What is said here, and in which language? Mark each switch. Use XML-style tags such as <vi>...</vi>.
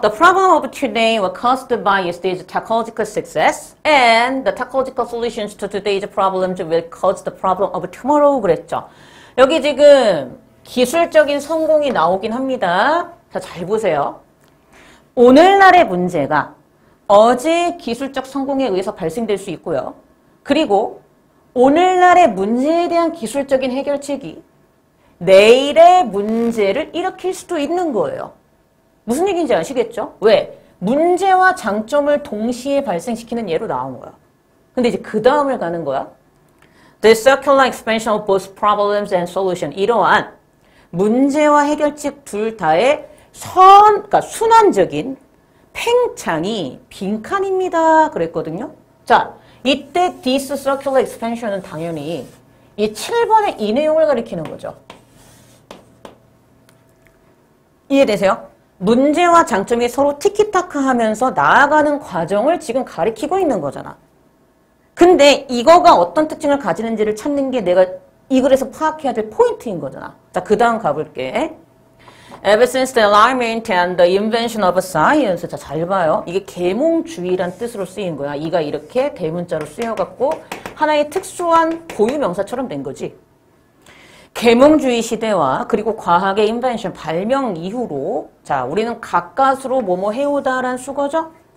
<en>The problem of today was caused by yesterday's technological success, and the technological solutions to today's problems will cause the problem of tomorrow.</en> <ko>그랬죠. 여기 지금 기술적인 성공이 나오긴 합니다. 자, 잘 보세요. 오늘날의 문제가 어제 기술적 성공에 의해서 발생될 수 있고요. 그리고 오늘날의 문제에 대한 기술적인 해결책이 내일의 문제를 일으킬 수도 있는 거예요. 무슨 얘기인지 아시겠죠? 왜? 문제와 장점을 동시에 발생시키는 예로 나온 거야. 근데 이제 그 다음을 가는 거야.</ko> <en>The circular expansion of both problems and solution.</en> <ko>이러한 문제와 해결책 둘 다의 그러니까 순환적인 팽창이 빈칸입니다. 그랬거든요. 자, 이때 this circular expansion 은 당연히 이 7번의 이 내용을 가리키는 거죠. 이해되세요? 문제와 장점이 서로 티키타카 하면서 나아가는 과정을 지금 가리키고 있는 거잖아. 근데 이거가 어떤 특징을 가지는지를 찾는 게 내가 이 글에서 파악해야 될 포인트인 거잖아. 자, 그 다음 가볼게.</ko> <en>Ever since the enlightenment and the invention of science.</en> <ko>자, 잘 봐요. 이게 계몽주의란 뜻으로 쓰인 거야. 이가 이렇게 대문자로 쓰여갖고 하나의 특수한 고유명사처럼 된 거지. 계몽주의 시대와 그리고 과학의 인벤션, 발명 이후로 자, 우리는 가까스로 뭐뭐 해오다란 수거죠?</ko>